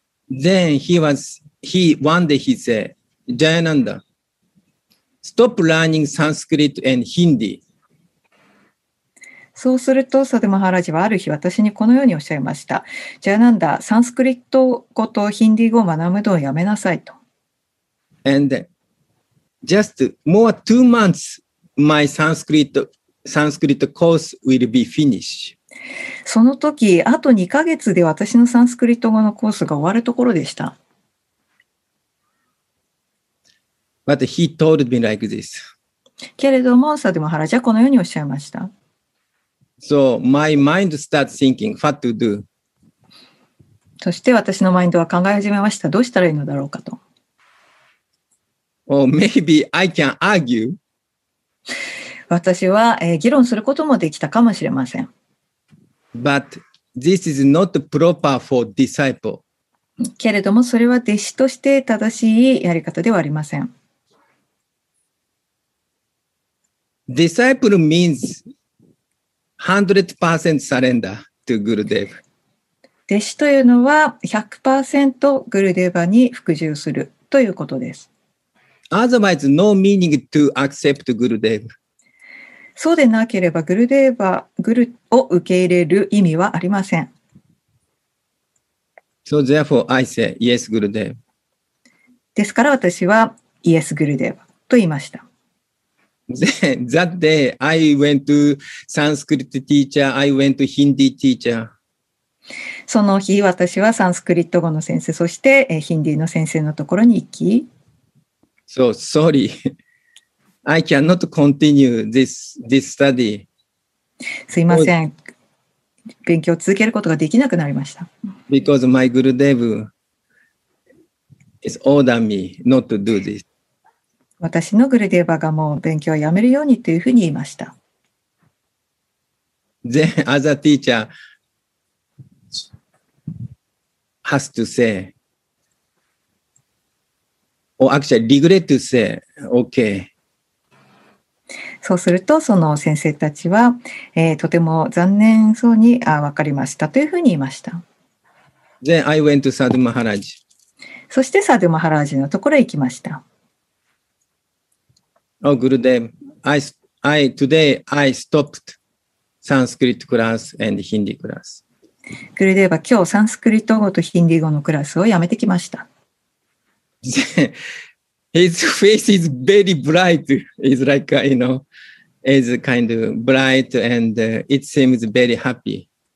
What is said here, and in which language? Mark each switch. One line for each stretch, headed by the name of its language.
English: Then he one day he said, Jayananda, stop learning Sanskrit and Hindi.
Japanese: そうすると、サドゥ・マハラジはある日私にこのようにおっしゃいました。ジャナンダ、サンスクリット語とヒンディー語を学ぶのをやめなさいと。
English: And just more two months, my Sanskrit course will be finished.
Japanese: その時、あと2ヶ月で私のサンスクリット語のコースが終わるところでした。
English: But he told me like this.
Japanese: けれども、サドゥ・マハラジはこのようにおっしゃいました。
English: So my mind starts thinking, what to do?
Japanese: そして私のマインドは考え始めました。どうしたらいいのだろうかと。
English: Or maybe I can argue.
Japanese: 私は、議論することもできたかもしれません。
English: But this is not proper for disciple.
Japanese: けれどもそれは弟子として正しいやり方ではありません。
English: Disciple means 100% surrender to Gurudev.
Japanese: 弟子というのは 100% グルデーバに服従するということです。
English: Otherwise, no meaning to accept Gurudev.
Japanese: そうでなければグルデーバグルを受け入れる意味はありません。
English: So therefore, I say yes, Gurudev.
Japanese: ですから私は
English: yes, Gurudev
Japanese: と言いました。
English: Then, that day, I went to Sanskrit teacher, I went to Hindi teacher.
Japanese: その日、私はサンスクリット語の先生、そしてヒンディーの先生のところに行き。
English: So, sorry. I cannot continue this study.
Japanese: すいません。勉強を続けることができなくなりました。
English: Because my Gurudev is ordering me not to do this.
Japanese: 私のグルデーバがもう勉強をやめるようにというふうに言いました。
English: Then other teacher has to say, or actually regret to say, okay.
Japanese: そうすると、その先生たちは、とても残念そうに、わかりましたというふうに言いました。
English: Then I went to Sadhu Maharaj.
Japanese: そしてサドゥ・マハラージのところへ行きました。
English: Oh, Gurudev, I stopped Sanskrit class and Hindi class.
Japanese: グルデーバ、今日サンスクリット語とヒンディー語のクラスをやめてきました。
English: His face is very bright. It's like, you know, it's kind of bright and it seems very happy.